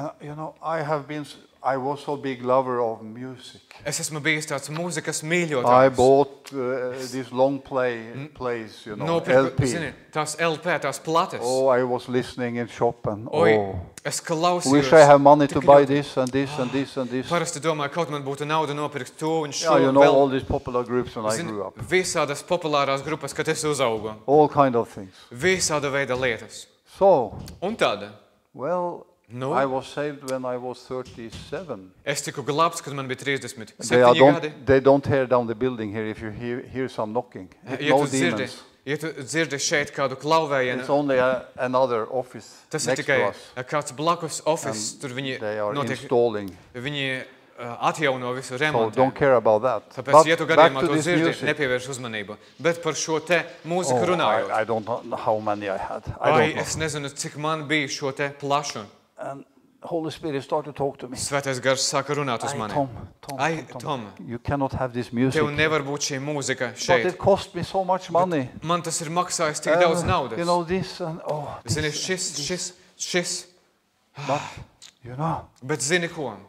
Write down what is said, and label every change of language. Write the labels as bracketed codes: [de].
[en] You know, I was so big lover of music. [lv] Es esmu bijis tāds mūzikas mīļotājs. [en] I bought this long plays, you know, LP. [lv] Zini, tās LP, tās plates. [en] Oh, I was listening in shop and [lv] Es klausījos. [en] Wish I have money to buy this and this and this and this. [lv] Parasti domāju, kaut man būtu nauda nopirkt to un šo. [en] Yeah, you know all these popular groups when I grew up. [lv] Visādas populārās grupas, kad es uzaugu. [en] All kind of things. [lv] Visāda veida lietas. [en] So. [lv] Un tāda. [en] Well, No. I was saved when I was 37. [lv] Es tiku glābts, kad man bija 37 gadi. [en] They don't tear down the building here if you hear some knocking. No demons. [lv] Ja tu dzirdi šeit kādu klauvējienu. [en] It's only another office. [lv] Tas ir tikai kāds blakus office, tur viņi notiek. [en] Installing. [lv] Viņi atjauno visu remontu. [en] So don't care about that. [lv] Tāpēc, ja tu gadījumā to dzirdi, nepievērš uzmanību. Bet par šo te mūziku runājot. [en] I don't know how many I had. I don't know. [lv] Es nezinu, cik man bija šo te plašu. [en] And Holy Spirit started to talk to me. [lv] Svētais Gars saka runāt uz mani. [en] Tom, you cannot have this music. [lv] Tev nevar būt šī mūzika šeit. [en] But it cost me so much money. [lv] Bet man tas ir maksājis tik daudz naudas. [en] You know this and this. [lv] Zini, šis. [en] You know. [lv] Bet zini ko?